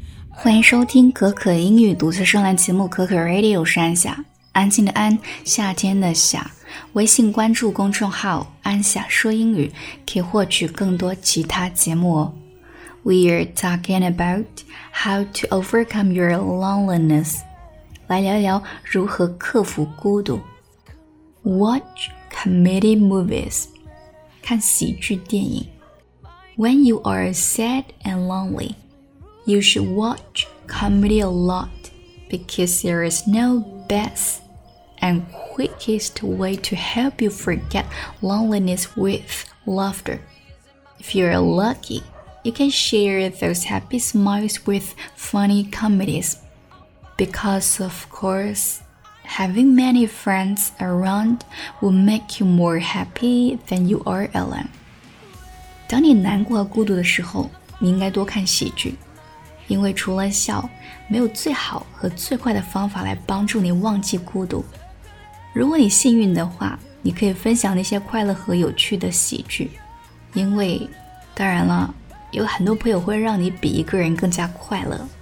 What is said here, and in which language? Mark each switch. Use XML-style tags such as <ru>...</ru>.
<zh>欢迎收听可可英语独自专栏节目可可 Radio 山下安静的安夏天的夏，微信关注公众号安夏说英语，可以获取更多其他节目哦。</zh> <en>We are talking about how to overcome your loneliness.</en> <zh>来聊聊如何克服孤独。</zh> <en>Watch comedy movies.</en> <zh>看喜剧电影。</zh> <en>When you are sad and lonely, you should watch comedy a lot because there is no best and quickest way to help you forget loneliness with laughter. If you are lucky,You can share those happy smiles with funny comedies. Because, of course, having many friends around will make you more happy than you are alone.</en> <zh>当你难过和孤独的时候，你应该多看喜剧。因为除了笑，没有最好和最快的方法来帮助你忘记孤独。如果你幸运的话，你可以分享那些快乐和有趣的喜剧。因为，当然了，有很多朋友会让你比一个人更加快乐。</zh>